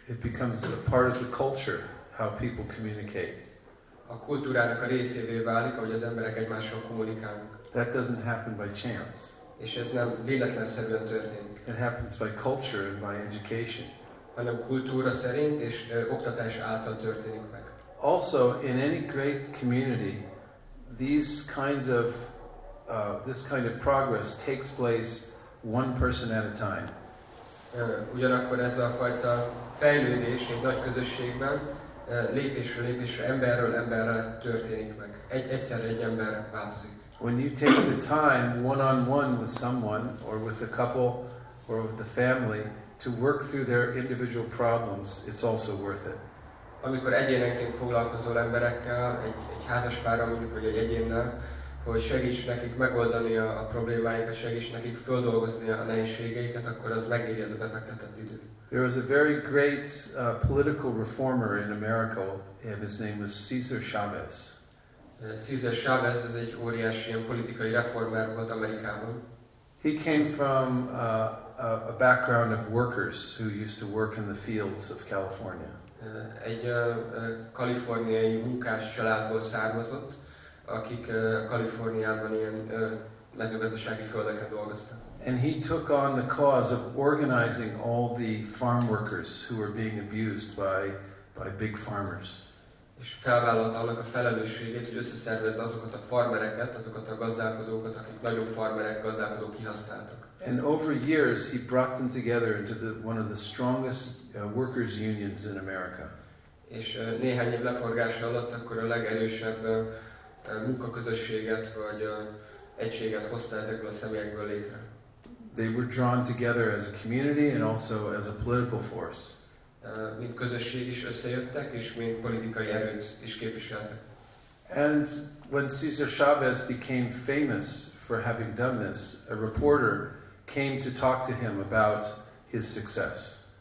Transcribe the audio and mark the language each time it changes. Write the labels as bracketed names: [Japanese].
[English] It becomes a part of the culture how people communicate. [Hungarian] A kultúrának a részévé válik, ahogy az emberek egymással kommunikálnak. [English] That doesn't happen by chance. [Hungarian] És ez nem véletlenszerűen történik. [English] It happens by culture and by education. [Hungarian] Hanem kultúra szerint és oktatás által történik meg. [English] Also, in any great community, these kinds of this kind of progress takes place one person at a time. [Hungarian] Ugyanakkor ez a fajta fejlődés egy nagy közösségben lépésről lépésre, emberről emberre történik meg. Egyszerre egy ember változik. [English] When you take the time one-on-one with someone or with a couple or with the family to work through their individual problems, it's also worth it. [Hungarian] Amikor egyénenként foglalkozol emberekkel, egy házaspárral mondjuk, vagy egy egyénnel, hogy segíts nekik megoldani a problémáikat, segíts nekik földolgozni a nehézségeiket, akkor az megéri ez a befektetett idő. [English] There was a very great political reformer in America, and his name was Cesar Chavez. [Hungarian] Cesar Chavez az egy óriási ilyen politikai reformer volt Amerikában. [English] He came from a background of workers who used to work in the fields of California. [Hungarian] Egy kaliforniai munkás családból származott, akik Kaliforniában ilyen mezőgazdasági földeken dolgoztak. [English] And he took on the cause of organizing all the farm workers who were being abused by big farmers. [Hungarian] És felvállalta annak a felelősségét, hogy összeszervezze azokat a farmereket, azokat a gazdálkodókat, akik nagyobb farmerek, gazdálkodók kihasználtak. [English] And over years he brought them together into one of the strongest workers unions in America. [Hungarian] És néhány év leforgása alatt akkor a legerősebb munkaközösséget vagy egységet hozta ezekből a személyekből létre. [English] They were drawn together as a community and also as a political force. [Hungarian] Mint közösség is összejöttek és mint politikai erőt is képviseltek. [English] And when Cesar Chavez became famous for having done this, a reporter came to talk to him about his success.